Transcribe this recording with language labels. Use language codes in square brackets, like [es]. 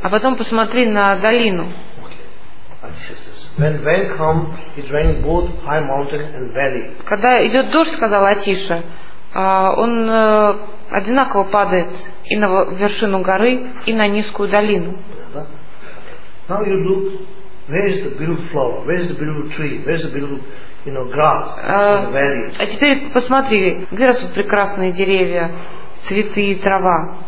[ru] А потом посмотри на долину. Когда идет дождь, сказал Атиша, он одинаково падает и на вершину горы, и на низкую долину. [en] Now you look, where is the beautiful flower? Where is the beautiful tree? Where is the beautiful, you know, grass in the valley? [ru] А теперь посмотри, где растут прекрасные деревья, цветы, трава.